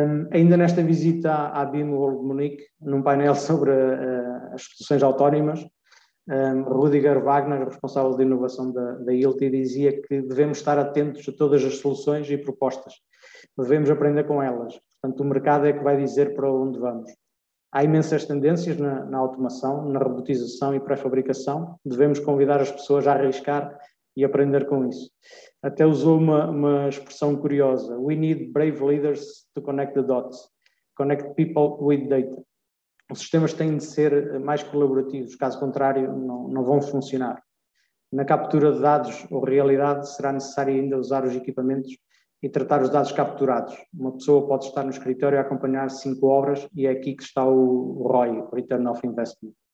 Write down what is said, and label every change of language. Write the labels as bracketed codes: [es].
[pt] Ainda nesta visita à BIM World Munique, num painel sobre as soluções autónomas, Rüdiger Wagner, responsável de inovação da ILTI, dizia que devemos estar atentos a todas as soluções e propostas. Devemos aprender com elas. Portanto, o mercado é que vai dizer para onde vamos. Há imensas tendências na automação, na robotização e pré-fabricação. Devemos convidar as pessoas a arriscar e aprender com isso. Até usou uma expressão curiosa. [en] We need brave leaders to connect the dots. Connect people with data. [pt] Os sistemas têm de ser mais colaborativos. Caso contrário, não vão funcionar. Na captura de dados ou realidade, será necessário ainda usar os equipamentos e tratar os dados capturados. Uma pessoa pode estar no escritório a acompanhar 5 obras e é aqui que está o ROI, [en] Return of Investment.